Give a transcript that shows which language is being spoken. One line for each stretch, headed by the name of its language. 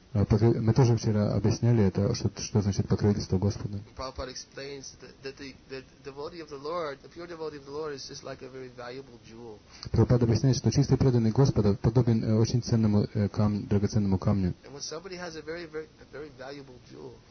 Russian: Мы тоже вчера объясняли это, что значит покровительство Господа.
English: Prabhupada explains that the devotee of the Lord, the pure devotee of the Lord, is just like a very valuable jewel.
Russian: Prabhupada объясняет, что чистый преданный Господа подобен очень ценному камню, драгоценному камню.
English: And when somebody has a very, very, a very valuable jewel,